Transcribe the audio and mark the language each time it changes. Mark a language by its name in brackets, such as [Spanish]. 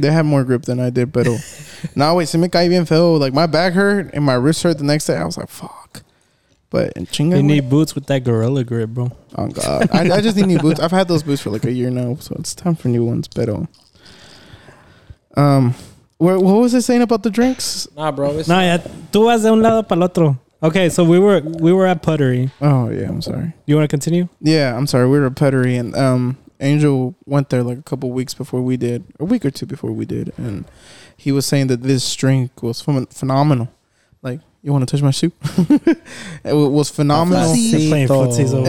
[English] They had more grip than I did, pero... No, wait, [Spanish] se me caí bien feo. [English] Like, my back hurt and my wrist hurt the next day. I was like, fuck. But [Spanish] chinga. [English] You need boots with that gorilla grip, bro. Oh, God. I just need new boots. I've had those boots for like a year now, so it's time for new ones, [Spanish] pero... [English] What was I saying about the drinks? Nah, bro. [Spanish] Nah, ya, tú vas de un lado para el otro. [English] Okay, so we were at Puttery. Oh, yeah, I'm sorry. You want to continue? Yeah, I'm sorry. We were at Puttery, and Angel went there like a couple weeks before we did, a week or two before we did, and he was saying that this drink was phenomenal. Like, you want to touch my shoe? It was phenomenal. Playing footsies over